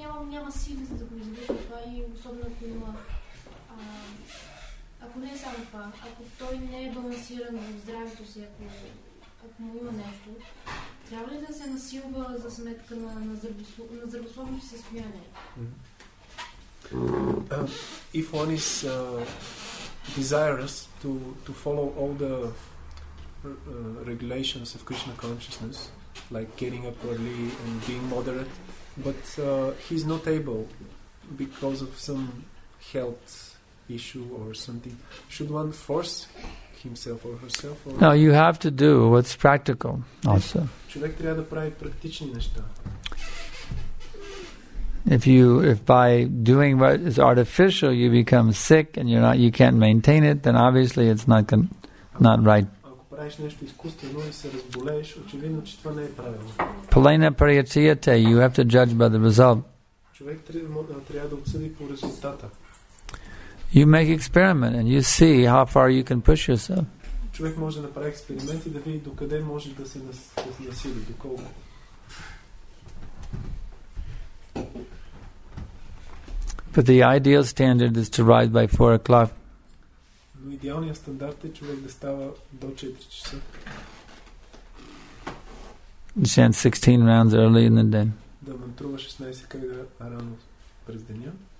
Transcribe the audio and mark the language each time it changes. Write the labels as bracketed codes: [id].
[bg] Няма сили за да го извърши това и особено ако има. Ако не е само това, ако той не е балансиран в здравето си, ако му има нещо, трябва ли да се насилва за сметка на здравословното си състояние? [en] If one is desirous to follow all the regulations of Krishna consciousness, like getting up early and being moderate, but he's not able because of some health issue or something, should one force himself or herself? Or no, you have to do what's practical also. [bg] Човек трябва да прави практични неща. [en] If by doing what is artificial you become sick and you can't maintain it, then obviously it's not right. [bg] Ако правиш нещо изкуствено и се разболееш, очевидно, че това не е правилно. [sa] Palena Pariyatiyate, [en] you have to judge by the result. [bg] Човек трябва да обсъди по резултата. [en] You make experiment and you see how far you can push yourself. [bg] Човек може да направи експеримент и да види докъде може да се насили, доколко. [en] But the ideal standard is to rise by 4 o'clock. [bg] Но идеалният стандарт е човек да става до 4 часа. [en] Chant 16 rounds early in the day. [bg] Да мантрува 16 кръга рано през деня.